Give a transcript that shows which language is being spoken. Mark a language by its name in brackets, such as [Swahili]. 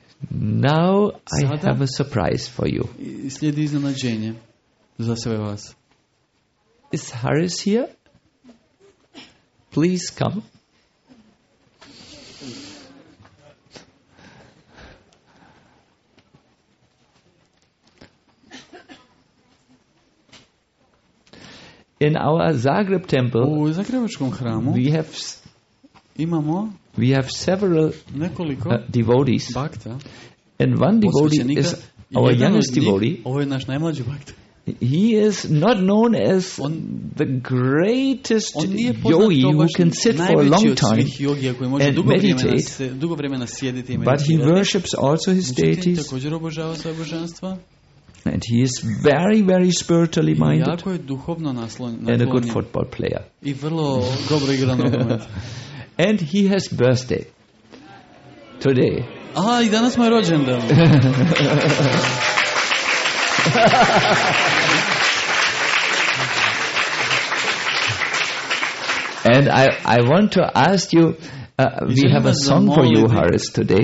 [English] Now I have a surprise for you. [Croatian] Slijedi iznenađenje za sve vas. [English] Is Harris here? Please come. In our Zagreb temple, [Croatian] u zagrebačkom hramu, [English] we have [Croatian] imamo [English] we have several [Croatian] nekoliko [English] devotees, [Croatian] bhakta, [English] and one devotee is our youngest devotee. [Croatian] Ovo je naš najmlađi bhakta. [English] He is not known as [Croatian] on, [English] the greatest yogi who can sit for a long time and meditate, [Croatian] dugo vremena sjediti, [English] but he worships also his deities. [Croatian] Također obožava svoje božanstva. [English] And he is very, very spiritually minded. [Croatian] Jako je duhovno naslonjen. [English] And a good football player. [Croatian] I vrlo dobro igra nogomet. [English] And he has birthday today. [Croatian] Aha, i danas moj rođendan. Ha ha ha ha. [English] And I want to ask you, we have a song for you, Haris, today.